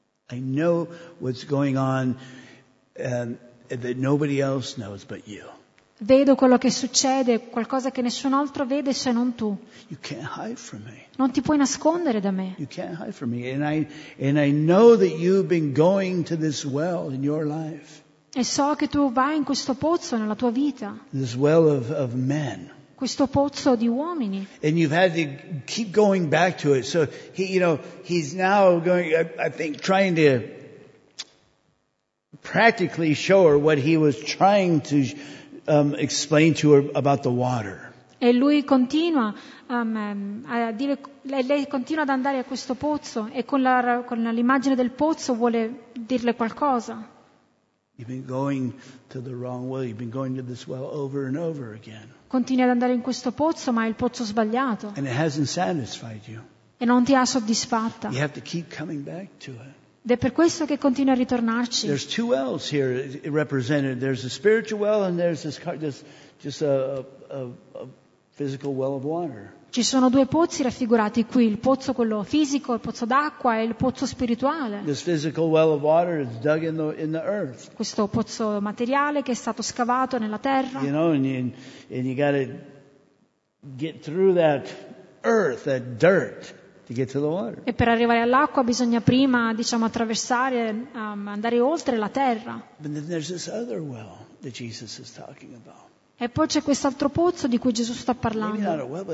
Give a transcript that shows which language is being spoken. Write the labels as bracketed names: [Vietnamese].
[English] I know what's going on and that nobody else knows but you. [Italian] Vedo quello che succede, qualcosa che nessun altro vede se non tu. [English] You can't hide from me. [Italian] Non ti puoi nascondere da me. [English] You can't hide from me. And I know that you've been going to this well in your life. [Italian] E so che tu vai in questo pozzo nella tua vita. [English] This well of men. [Italian] questo pozzo di uomini. [English] And you've had to keep going back to it. So he, you know, he's now going, I think, trying to practically show her what he was trying to explain to her about the water. [Italian] E lui continua a dire, lei continua ad andare a questo pozzo e con l'immagine del pozzo vuole dirle qualcosa. [English] You've been going to the wrong well. You've been going to this well over and over again. [Italian] Continui ad andare in questo pozzo, ma è il pozzo sbagliato. [English] And it hasn't satisfied you. [Italian] E non ti ha soddisfatta. [English] You have to keep coming back to it. [Italian] Ed è per questo che continua a ritornarci. [English] There's two wells here represented. There's a spiritual well and there's a physical well of water. [Italian] Ci sono due pozzi raffigurati qui, il pozzo quello fisico, il pozzo d'acqua e il pozzo spirituale. [English] This physical well of water is dug in the earth. [Italian] Questo pozzo materiale che è stato scavato nella terra. [English] You know, and you got to get through that earth, that dirt, to get to the water. [Italian] E per arrivare all'acqua bisogna prima, diciamo, attraversare, andare oltre la terra. [English] But then there's this other well that Jesus is talking about. [Italian] E poi c'è quest'altro pozzo di cui Gesù sta parlando.